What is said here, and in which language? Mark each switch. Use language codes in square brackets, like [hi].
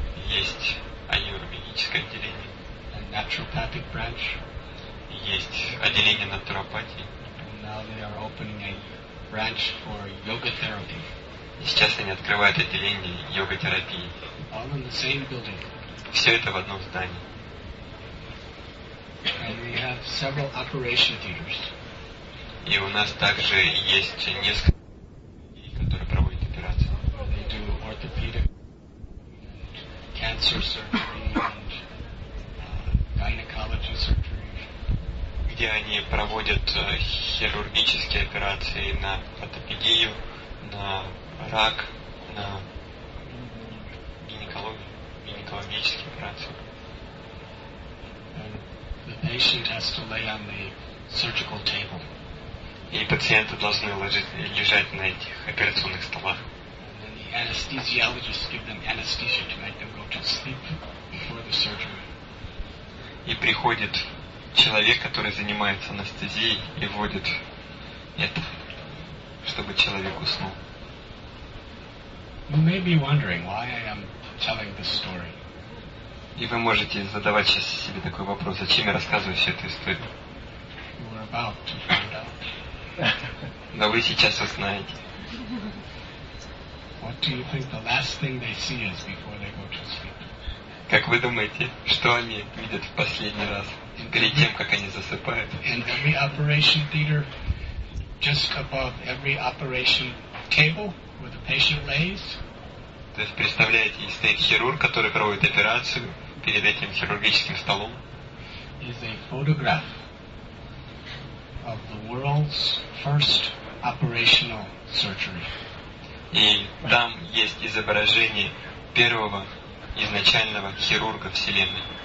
[ru] Есть аюрведическое отделение. [en] And naturopathic branch. [ru] Есть отделение натуропатии. [en] And now they are opening a branch for yoga therapy. [ru] И сейчас они открывают отделение йога-терапии. [en] All in the same building. [ru] Все это в одном здании. [en] And we have several operation theaters. [ru] И у нас также есть несколько людей, которые проводят операции. [en] They do orthopedic and cancer surgery and gynecology surgery. [ru] Где они проводят хирургические операции на ортопедию, на рак, на гинекологические операции. [en] The patient has to lay on the surgical table. [ru] И пациенты должны лежать на этих операционных столах. [en] And then the anesthesiologists give them anesthesia to make them go to sleep before the surgery. [ru] И приходит человек, который занимается анестезией, и вводит это, чтобы человек уснул. [en] You may be wondering why I am telling this story. [ru] И вы можете задавать сейчас себе такой вопрос: зачем я рассказываю всю эту историю? [en] You are about to find out. [ru] Но вы сейчас узнаете. [en] What do you think the last thing they see is before they go to sleep? [ru] Как вы думаете, что они видят в последний раз перед тем, как они засыпают? [en] In every operation theater, just above every operation table. Where the patient lays. [ru] То есть представляете, стоит хирург, который проводит операцию перед этим хирургическим столом. [en] Is a photograph of the world's first operational surgery. [ru] И там есть изображение первого изначального хирурга вселенной.